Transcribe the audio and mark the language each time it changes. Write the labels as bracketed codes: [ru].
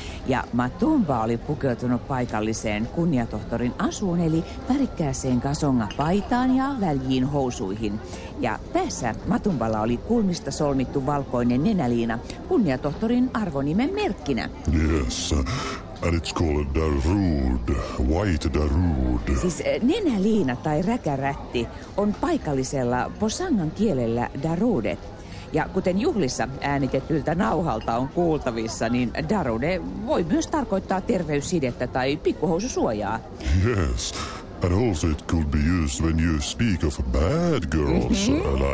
[fi] ja Matumba oli pukeutunut paikalliseen kunniatohtorin asuun, eli värikkääseen kasonga paitaan ja väljiin housuihin. Ja päässä Matumballa oli kulmista solmittu valkoinen nenäliina kunniatohtorin arvonimen merkkinä. [en] Yes. And it's called Darud, White Darud. [fi] Siis nenäliina tai räkärätti on paikallisella posangan kielellä Darude. Ja kuten juhlissa äänitettyltä nauhalta on kuultavissa, niin Darude voi myös tarkoittaa terveyssidettä tai pikkuhoususuojaa. [en] Yes, and also it could be used when you speak of bad girls, mm-hmm.